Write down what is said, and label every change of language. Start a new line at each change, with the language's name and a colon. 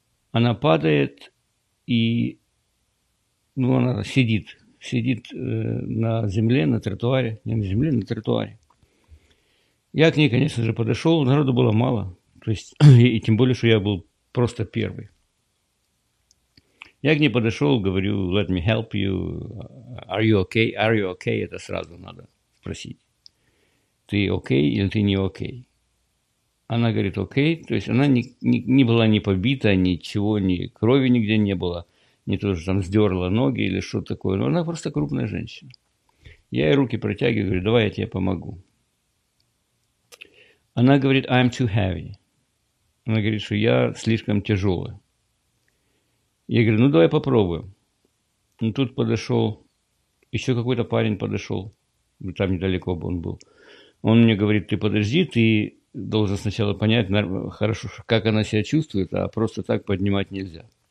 Russian: Она падает, и ну, она сидит на земле, на тротуаре. Не на земле, на тротуаре. Я к ней, конечно же, подошел, народу было мало. То есть, и тем более, что я был просто первый. Я к ней подошел, говорю,
English: let me help you, are you okay,
Russian: are you okay, это сразу надо спросить. Ты окей или ты не окей? Она говорит, окей, то есть она не была ни побита, ничего, ни крови нигде не было, ни то, что там сдерла ноги или что такое, но она просто крупная женщина. Я ей руки протягиваю, говорю, давай я тебе помогу. Она говорит,
English: I'm too heavy.
Russian: Она говорит, что я слишком тяжелая. Я говорю, ну давай попробуем. Ну тут подошел, еще какой-то парень подошел, там недалеко бы он был. Он мне говорит, ты подожди, ты должен сначала понять, хорошо, как она себя чувствует, а просто так поднимать нельзя.